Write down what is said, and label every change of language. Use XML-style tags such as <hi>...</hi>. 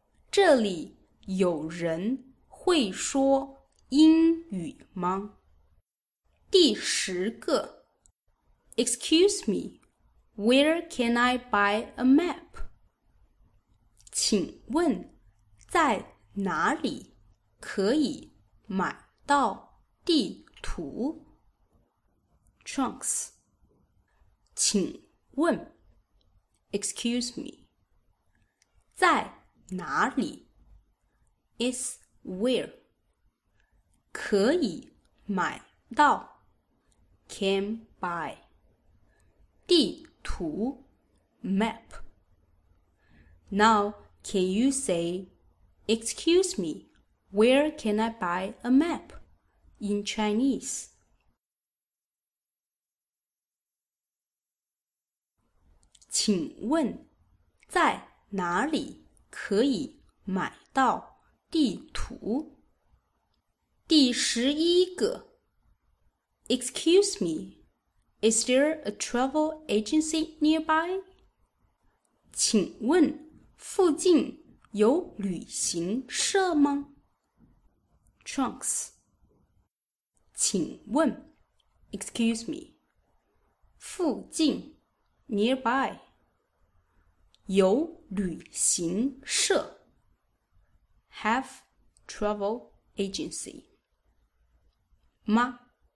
<zh>这里有人会说英语吗？第十个</zh> <en>Excuse me, where can I buy a map?</en> <zh>请问在哪里可以买到地图?</zh> <en>Trunks</en> <zh>请问</zh> <en>Excuse me</en> <zh>在哪里</zh> <en>Is where</en> <zh>可以买到</zh> <en>Can buy</en> <zh>地图</zh> <en>Map Now, can you say, Excuse me, where can I buy a map? In Chinese.</en> <zh>请问在哪里可以买到地图？第十一个</zh> <en>Excuse me, is there a travel agency nearby?</en> <zh>请问附近有旅行社吗？</zh> <en>Trunks</en> <zh>请问</zh> <en>Excuse me,</en> <zh>附近</zh> <en>nearby</en> <zh>有旅行社</zh> <en>have travel agency</en> <zh>吗？</zh>